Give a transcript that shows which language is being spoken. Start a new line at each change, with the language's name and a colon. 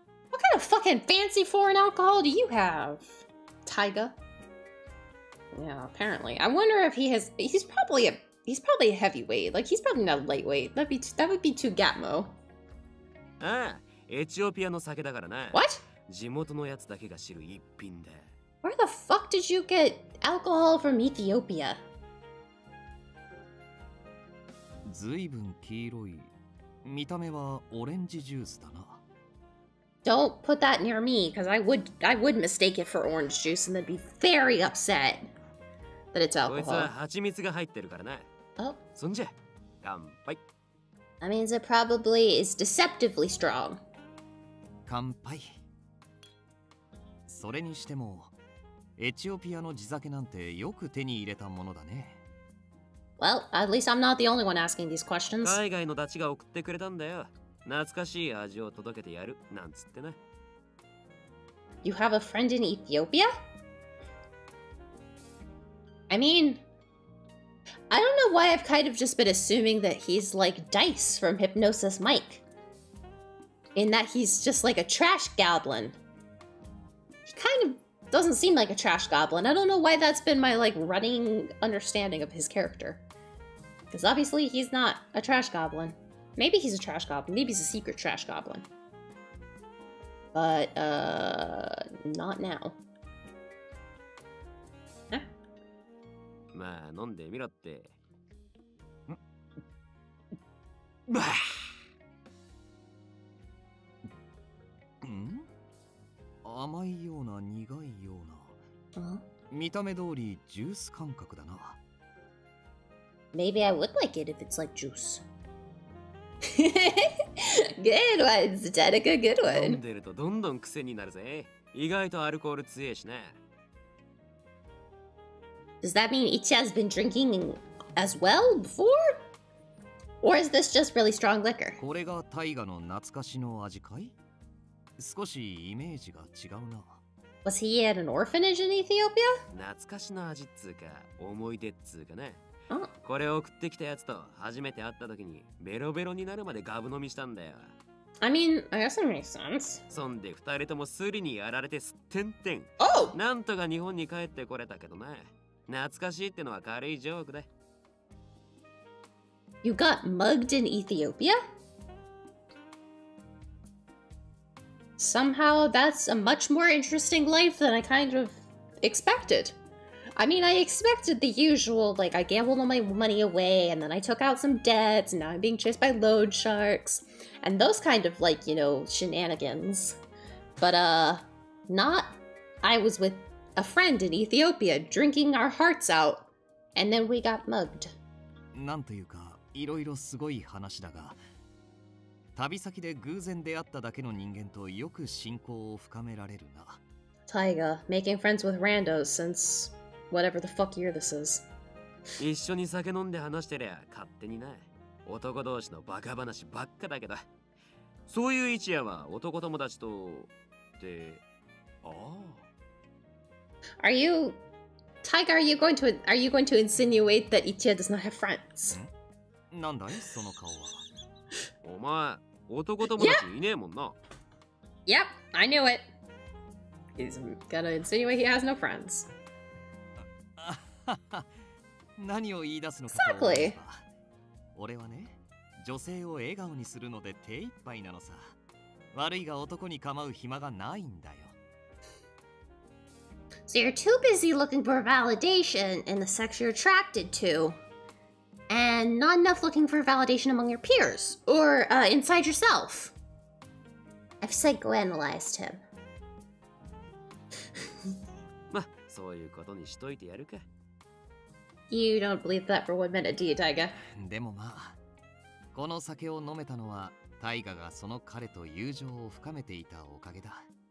English: What kind of fucking fancy foreign alcohol do you have, Taiga? Yeah, apparently. I wonder if he has. He's probably a heavyweight. Like he's probably not lightweight. That would be too gatmo.
Japanese: ああ、エチオピアの酒だからな。
English: What?
Japanese: 地元のやつだけが知る一品だ。
English: Where the fuck did you get alcohol from Ethiopia?
Japanese: ずいぶん黄色い。見た目はオレンジジュースだな。
English: Don't put that near me, because I would mistake it for orange juice and then be very upset that it's alcohol.
Japanese: こいつは蜂蜜が入ってるからな。
English: Oh.
Japanese: そんじゃ、乾杯。
English: That means it probably is deceptively strong.
Japanese: 乾杯。それにしても、エチオピアの地酒なんてよく手に入れたものだね。
English: Well, at least I'm not the only one asking these questions.
Japanese: 海外のダチが送ってくれたんだよ。懐かしい味を届けてやる、なんつってな。
English: You have a friend in Ethiopia? I mean, I don't know why I've kind of just been assuming that he's like Dice from Hypnosis Mike. In that he's just like a trash goblin. He kind of... doesn't seem like a trash goblin. I don't know why that's been my like running understanding of his character. Because obviously he's not a trash goblin. Maybe he's a trash goblin. Maybe he's a secret trash goblin. But, not now. Huh?
Japanese: まあ、飲んでみろって。甘いような苦いような見た目通りジュース感覚だな。
English: Maybe I would like it if it's like juice. Good one, Zetica, good one.
Japanese: 飲んでるとどんどん癖になるぜ。意外とアルコール強いしね。
English: Does that mean Ichi has been drinking as well before? Or is this just really strong liquor?
Japanese: これがタイガの懐かしの味かい?少しイメージが違うな。
English: Was he at an orphanage in Ethiopia?
Japanese: 懐かしの味っつうか、思い出っつうかね。これ送ってきたやつと初めて会った時にベロベロになるまでガブ飲みしたんだよ。
English: I mean, I guess it makes sense.
Japanese: そんで二人ともスリにやられてすってんてん。
English: Oh!
Japanese: なんとか日本に帰ってこれたけどね。懐かしいってのは軽いジョークだ。
English: You got mugged in Ethiopia? Somehow, that's a much more interesting life than I kind of expected. I mean, I expected the usual, like, I gambled all my money away, and then I took out some debts, and now I'm being chased by loan sharks, and those kind of, like, you know, shenanigans. But, not. I was with a friend in Ethiopia, drinking our hearts out, and then we got mugged.
Japanese: なんというか、いろいろすごい話だが…旅先で偶然出会っただけの人間とよく親交を深められるな。
English: Taiga, making friends with randos since whatever the fuck year this is.
Japanese: 一緒に酒飲んで話してりゃ勝手にな。男同士のバカ話ばっかだけど。そういう一夜は男友達と…で…ああ。
English: Are you… Taiga, are you going to insinuate that Ichiya does not have friends?
Japanese: なんだいその顔は。お前、男友達いねえもんな。
English: Yep, I knew it. He's gonna insinuate he has no friends.
Japanese: 何を言い出すのか。
English: Exactly.
Japanese: 俺はね、女性を笑顔にするので手一杯なのさ。悪いが男に構う暇がないんだよ。
English: So you're too busy looking for validation in the sex you're attracted to. And not enough looking for validation among your peers or inside yourself. I've psychoanalyzed him.
Japanese: そういうことにしといてやるか。
English: You don't believe that for one minute, do you, Taiga?
Japanese: でもまあ、この酒を飲めたのは、Taiga がその彼と友情を深めていたおかげだ。